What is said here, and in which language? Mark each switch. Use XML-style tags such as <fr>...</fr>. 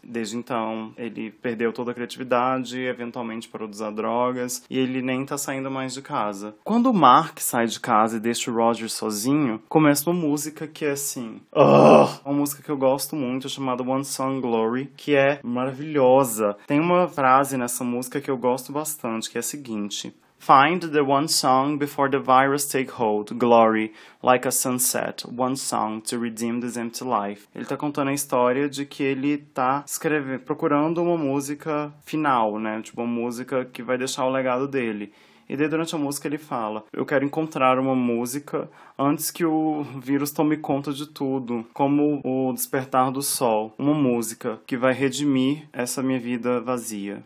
<pt>Desde então, ele perdeu toda a criatividade, eventualmente parou de usar drogas, e ele nem tá saindo mais de casa. Quando o Mark sai de casa e deixa o Roger sozinho, começa uma música que é assim, uma música que eu gosto muito, chamada One Song Glory, que é maravilhosa. Tem uma frase nessa música que eu gosto bastante, que é a seguinte...</pt> <en>Find the one song before the virus take hold, glory, like a sunset, one song to redeem this empty life.</en> <pt>Ele tá contando a história de que ele tá escrevendo, procurando uma música final, né? Tipo, uma música que vai deixar o legado dele. E daí, durante a música, ele fala, eu quero encontrar uma música antes que o vírus tome conta de tudo, como o despertar do sol, uma música que vai redimir essa minha vida vazia.</pt>